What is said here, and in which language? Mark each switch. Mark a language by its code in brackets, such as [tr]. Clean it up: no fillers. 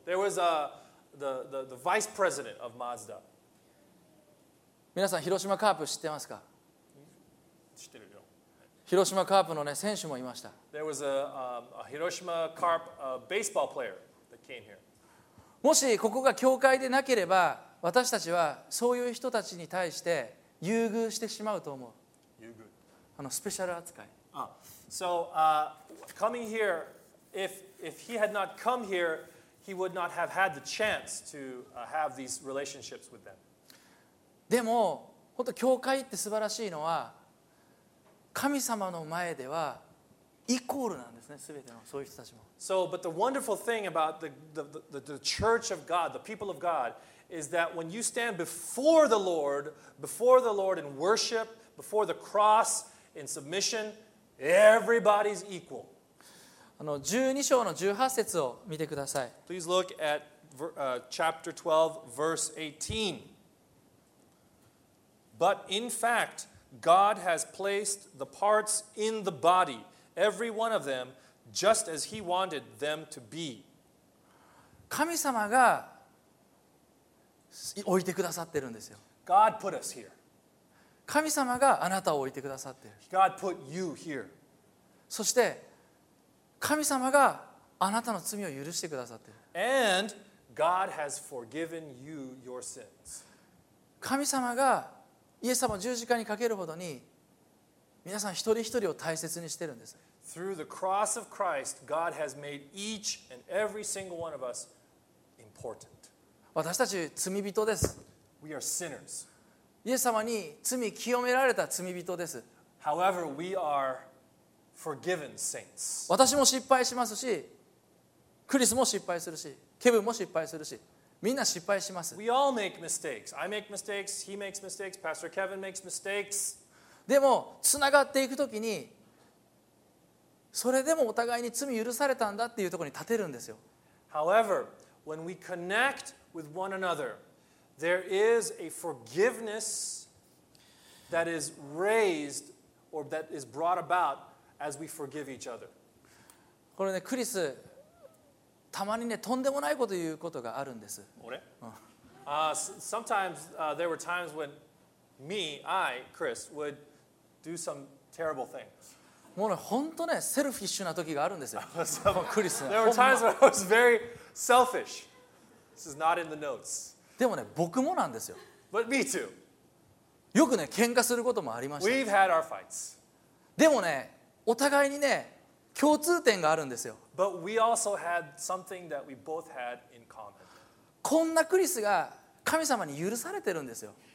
[en] There was a the vice president of Mazda. [ja] 皆さん広島カープ知ってますか？知ってるよ。広島カープのね選手もいました。 [en] There was a Hiroshima Carp baseball player that came here. [ja] もしここが教会でなければ、私たちはそういう人たちに対して優遇してしまうと思う。優遇。あのスペシャル扱い。 [en] So coming here, if he had not come here, he would not have had the chance to have these relationships with them. [ja] でも本当教会って素晴らしいのは、神様の前ではイコールなんですね、すべてのそういう人たちも。 [en] So, but the wonderful thing about the church of God, the people of God, is that when you stand before the Lord in worship, before the cross in submission. Everybody's equal. [ja] あの12章の18節を見てください。 [en] Please look at chapter 12 verse 18. But in fact God has placed the parts in the body, every one of them, just as he wanted them to be. [ja] 神様が置いてくださってるんですよ。 [en] God put us here. [ja] 神様があなたを置いてくださってる。 [en] God put you here. [ja] そして神様があなたの罪を許してくださっている。 [en] And God has forgiven you your sins. [ja] 神様がイエス様を十字架にかけるほどに皆さん一人一人を大切にしているんです。 [en] Through the cross of Christ, God has made each and every single one of us important. [ja] 私たち罪人です。 [en] We are sinners. [ja] イエス様に罪清められた罪人です。 [en] However, we areForgiven saints. [ja] 私も失敗しますし、クリスも失敗するし、ケブンも失敗するし、みんな失敗します。 [en] We all make mistakes. I make mistakes. He makes mistakes. Pastor Kevin makes mistakes. [ja] でもつながっていくときに、それでもお互いに罪許されたんだっていうところに立てるんですよ。 [en] However, when we connect with one another, there is a forgiveness that is raised or that is brought about. as we forgive each other. [ja] これね、クリス、たまにね、とんでもないこと言うことがあるんです。俺？ [en] sometimes, there were times when me, I, Chris, would do some terrible things. [ja] もうね、本当ね、セルフィッシュな時があるんですよ。そう、クリス。 [en] There were times when I was very selfish. This is not in the notes. [ja] でもね、僕もなんですよ。 [en] But me too. [ja] よくね、喧嘩することもありました。 [en] We've had our fights. [ja] でもね、お互いにね、共通点があるんですよ。 [en] But we also had something that we both had in common. [ja] こんなクリスが神様に許されてるんですよ。